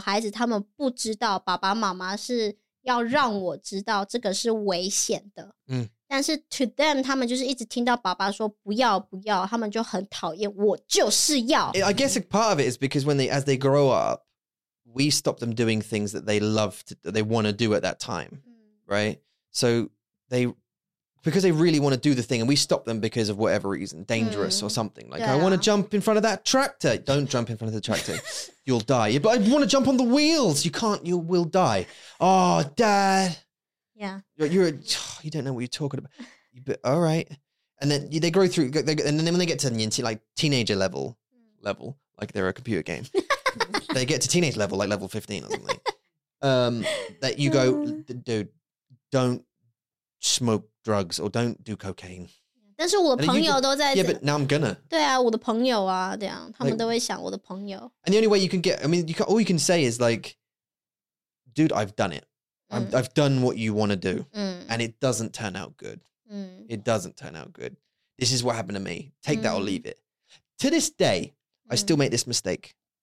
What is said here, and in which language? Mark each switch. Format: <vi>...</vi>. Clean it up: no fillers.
<zh>对，就是因为这样他们不知道，所以是小孩子他们不知道爸爸妈妈是。要让我知道这个是危险的，但是 to them 他们就是一直听到爸爸说不要，他们就很讨厌。我就是要。</zh> <en>I guess a part of it is because as they grow up, we stop them doing things that they love to, that they want to do at that time, right? So they because they really want to do the thing, and we stop them because of whatever reason, dangerous or something. Like I want to jump in front of that tractor. Don't jump in front of the tractor. You'll die. But I want to jump on the wheels. You can't. You will die. Oh, Dad. Yeah. You don't know what you're talking about. All right. And then they grow through. And then when they get to like teenager level, like they're a computer game. They get to teenage level, like level 15 or something. That you go, dude, don't smoke drugs or don't do cocaine.</en> <zh>但是我的朋友都在</zh> <en>Yeah, but now I'm gonna.</en> <zh>对啊，我的朋友啊，这样他们都会想我的朋友。</zh> <en>Like, and the only way you can get, I mean, you can, all you can say is like, "Dude, I've done it. I've done what you want to do, and it doesn't turn out good. It doesn't turn out good. This is what happened to me. Take that or leave it." To this day, I still make this mistake.</en>